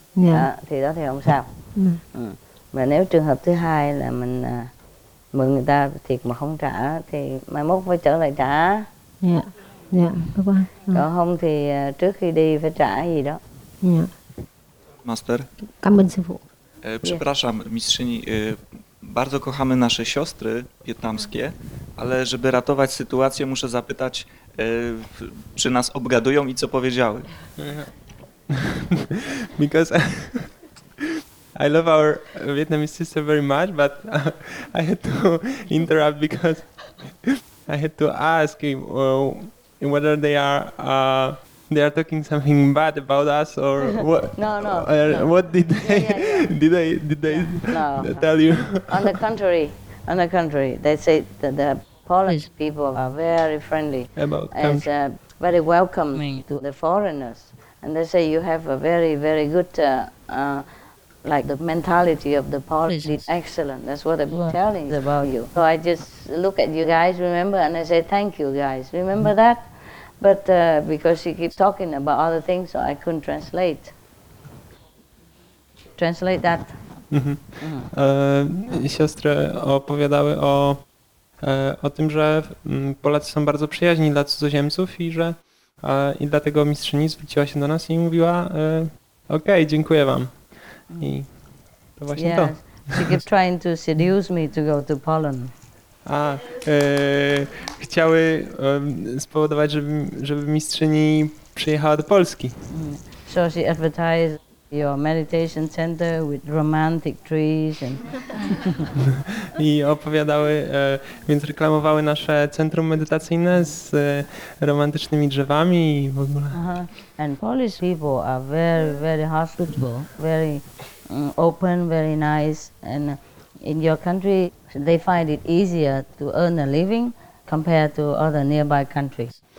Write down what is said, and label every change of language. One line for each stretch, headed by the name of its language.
Vietnamese: Dạ. Thì đó thì không sao. Dạ. Mà nếu trường hợp thứ hai là mình mượn người ta thiệt mà không trả thì mai mốt phải trở lại trả. Dạ. Dạ, có qua. Còn không thì trước khi đi phải trả gì đó. Dạ.
English: Master.
Vietnamese: Cảm ơn sư phụ.
Polish: Przepraszam, mistrzyni, bardzo kochamy nasze siostry wietnamskie, ale żeby ratować sytuację, muszę zapytać, czy nas obgadują i co powiedziały.
English: Because I love our Vietnamese sister very much, but I had to interrupt because I had to ask him, whether they are talking something bad about us or what? No. What did they tell you? On the contrary, they say that the Polish people are very friendly about and very welcoming to the foreigners, and they say you have a very very good. Like the mentality of the Polish is excellent. That's what I'm telling about you. So I just look at you guys, remember, and I say, thank you, guys. Remember that? But because you keep talking about other things, so I couldn't translate. Translate that.
Polish: Siostry opowiadały o tym, że Polacy są bardzo przyjaźni dla cudzoziemców i że i dlatego mistrzyni zwróciła się do nas i mówiła, okej, dziękuję wam.
English: Yes, she kept trying to seduce me to go to Poland.
Polish: Chciały spowodować, żeby mistrzyni przyjechała do Polski.
English: So she advertised your meditation center with romantic trees and.
Polish: I opowiadały, więc reklamowały nasze centrum medytacyjne z romantycznymi drzewami i w ogóle.
English: And Polish people are very, very hospitable, very open, very nice. And in your country, they find it easier to earn a living compared to other nearby countries.